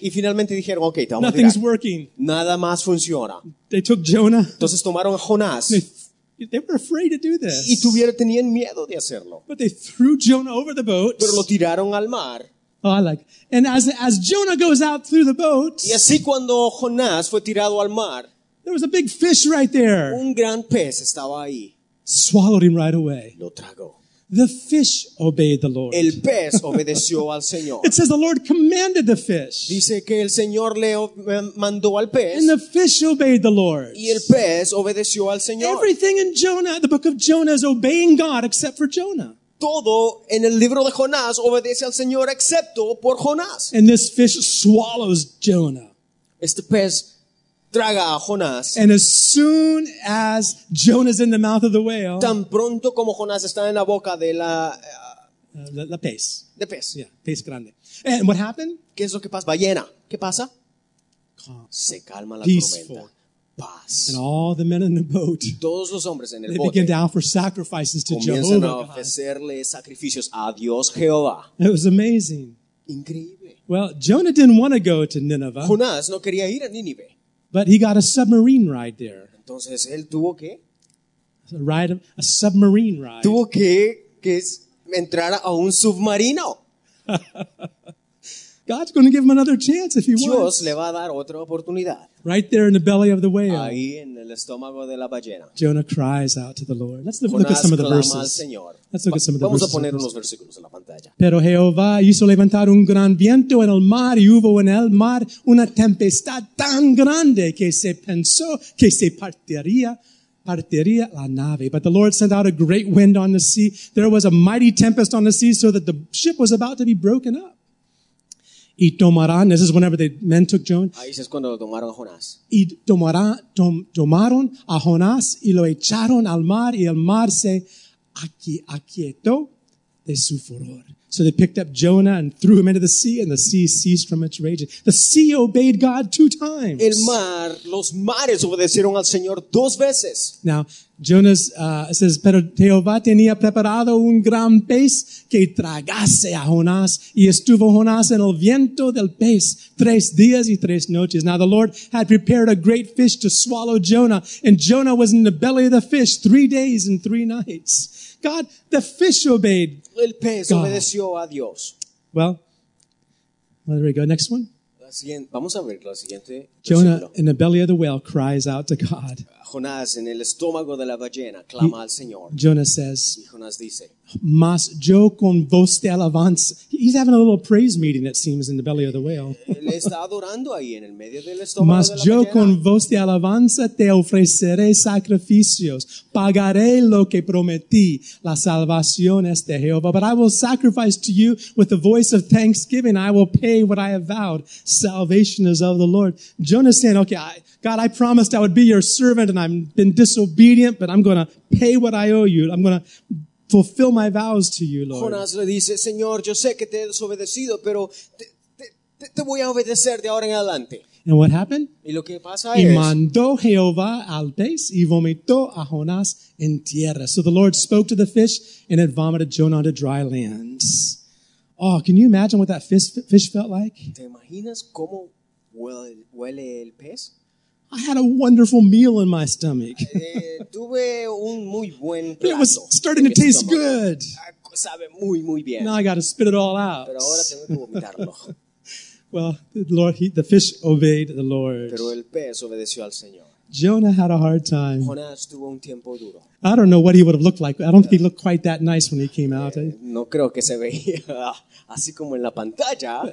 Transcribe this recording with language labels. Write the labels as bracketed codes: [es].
[es] Y finalmente dijeron, okay, te vamos [en] nothing's [es] a tirar. [en] Working. [es] Nada más funciona. [en] They took Jonah. [es] Entonces tomaron a Jonás. [en] They They were afraid to do this. [es] Y tenían miedo de hacerlo. [en] But they threw Jonah over the boat. [es] Pero lo tiraron al mar. [en] Oh, I like. And as Jonah goes out through the boat. [es] Y así cuando Jonás fue tirado al mar. [en] There was a big fish right there. [es] Un gran pez estaba ahí. [en] Swallowed him right away. [es] Lo tragó. [en] The fish obeyed the Lord. [es] El pez obedeció al Señor. [en] It says the Lord commanded the fish. [es] Dice que el Señor le mandó al pez. [en] And the fish obeyed the Lord. [es] Y el pez obedeció al Señor. [en] Everything in Jonah, the book of Jonah, is obeying God except for Jonah. [es] Todo en el libro de Jonás obedece al Señor excepto por Jonás. [en] And this fish swallows Jonah. [es] Este pez traga a Jonás. [en] And as soon as Jonah's in the mouth of the whale, [es] tan pronto como Jonás está en la boca de la la pez. De pez. [en] Yeah, [es] pez grande. [en] And what happened? [es] ¿Qué es lo que pasa? Ballena. ¿Qué pasa? [en] Calm. [es] Se calma la [en] Peaceful. [es] Tormenta. Paz. [en] And all the men in the boat, [es] todos los hombres en el [en] they [es] bote, [en] begin to offer sacrifices to [es] comienzan [en] Jehovah. [es] A ofrecerle [en] God. [es] Sacrificios a Dios Jehová. [en] It was amazing. [es] Increíble. [en] Well, Jonah didn't want to go to Nineveh. [es] Jonás no quería ir a Nínive. [en] But he got a submarine ride there. [es] Entonces, ¿él tuvo qué? [en] A submarine ride. [es] Tuvo que entrar a un submarino. [en] God's going to give him another chance if he [es] Dios [en] wants. [es] Le va a dar otra oportunidad. [en] Right there in the belly of the whale. [es] Ahí en el estómago de la ballena. [en] Jonah cries out to the Lord. Let's look at some of the verses. Let's look at some of the [es] Vamos [en] verses. [es] A poner unos versículos en la pantalla. Pero Jehová hizo levantar un gran viento en el mar y hubo en el mar una tempestad tan grande que se pensó que se partiría la nave. [en] But the Lord sent out a great wind on the sea. There was a mighty tempest on the sea so that the ship was about to be broken up. [es] Y tomarán, [en] this is whenever the men took Jonah. [es] Ahí es cuando lo tomaron a Jonás. Y tomaron a Jonás y lo echaron al mar y el mar se aquietó de su furor. [en] So they picked up Jonah and threw him into the sea and the sea ceased from its raging. The sea obeyed God two times. [es] El mar, los mares obedecieron al Señor dos veces. [en] Now, Jonah says, [es] pero Jehová tenía preparado un gran pez que tragase a Jonás y estuvo Jonás en el viento del pez tres días y tres noches. [en] Now the Lord had prepared a great fish to swallow Jonah and Jonah was in the belly of the fish 3 days and three nights. God, the fish obeyed. [es] El pez obedeció a Dios. [en] Well, there we go. Next one. [es] Vamos a ver lo siguiente. [en] Jonah, in the belly of the whale, cries out to God. [es] Jonás, en el estómago de la ballena, clama al Señor. [en] Jonah says, [es] y Jonás dice, Mas yo con voz de alabanza. [en] He's having a little praise meeting, it seems, in the belly of the whale. [es] Le está adorando ahí, en el medio del estómago Mas de la yo ballena. Con voz de alabanza te ofreceré sacrificios. Pagaré lo que prometí. La salvación es de Jehová. [en] But I will sacrifice to you with the voice of thanksgiving. I will pay what I have vowed. Salvation is of the Lord. Jonah's saying, okay, God, I promised I would be your servant and I've been disobedient, but I'm going to pay what I owe you. I'm going to fulfill my vows to you, Lord. [es] Jonás le dice, Señor, yo sé que te he desobedecido, pero te voy a obedecer de ahora en adelante. [en] And what happened? [es] Y lo que pasa y mandó Jehová al pez y vomitó a Jonás en tierra. [en] So the Lord spoke to the fish and it vomited Jonah onto dry land. Oh, can you imagine what that fish felt like? [es] ¿Te imaginas cómo huele el pez? [en] I had a wonderful meal in my stomach. [es] Tuve un muy buen plato. [en] It was starting to taste good. [es] Sabe muy, muy bien. [en] Now I got to spit it all out. [es] Pero ahora tengo que [en] well, the fish obeyed the Lord. [es] Pero el pez obedeció al Señor. [en] Jonah had a hard time. [es] Jonás tuvo un tiempo duro. [en] I don't know what he would have looked like. I don't think he looked quite that nice when he came out. [es] No creo que se veía así como en la pantalla.